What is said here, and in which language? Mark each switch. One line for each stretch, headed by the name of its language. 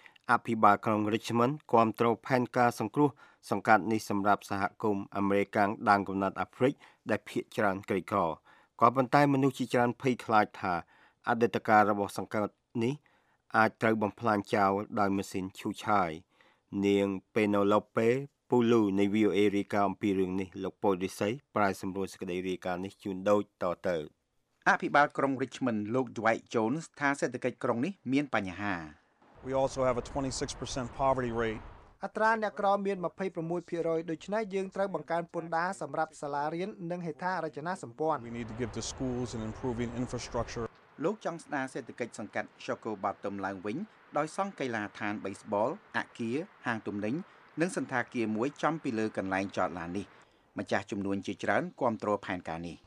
Khmer: អភិបាលក្រុង Richmond គ្រប់គ្រងផែនការសង្គ្រោះសង្កាត់នេះសម្រាប់សហគមន៍អាមេរិកដើមកំណត់អាហ្វ្រិកដែលភាគច្រើនក្រីក្រក៏ប៉ុន្តែមនុស្សជាច្រើនភ័យខ្លាចថាអតីតកាលរបស់សង្កាត់នេះអាចត្រូវបំផ្លាញចោលដោយម៉ាស៊ីនឈូឆាយនាងពេណូឡូពេពូលូនៃ VOA រាយការណ៍អំពីរឿងនេះលោកប៉ូលីសីប្រាយសម្រួលសេចក្តីរាយការណ៍នេះជូនដូចតទៅ អភិបាលក្រុង Richmond លោក Dwight Jones ថាសេដ្ឋកិច្ចក្រុងនេះមានបញ្ហា
English: We also have a 26% poverty rate.
Khmer: អត្រាអ្នកក្រមាន 26% ដូច្នេះយើងត្រូវបង្កើនពន្ធដារសម្រាប់សាលារៀននិងហេដ្ឋារចនាសម្ព័ន្ធ
English: We need to give to schools and improving infrastructure.
Khmer: លោកចង់ស្ដារសេដ្ឋកិច្ចសង្កាត់ Socobottom ឡើងវិញដោយសង់កីឡាឋាន baseball, អាគារ, ហាងទំនិញនិងសណ្ឋាគារមួយចំពីលើកន្លែងចតឡាននេះ។ម្ចាស់ចំនួនជាច្រើនគ្រប់គ្រងផែនការនេះ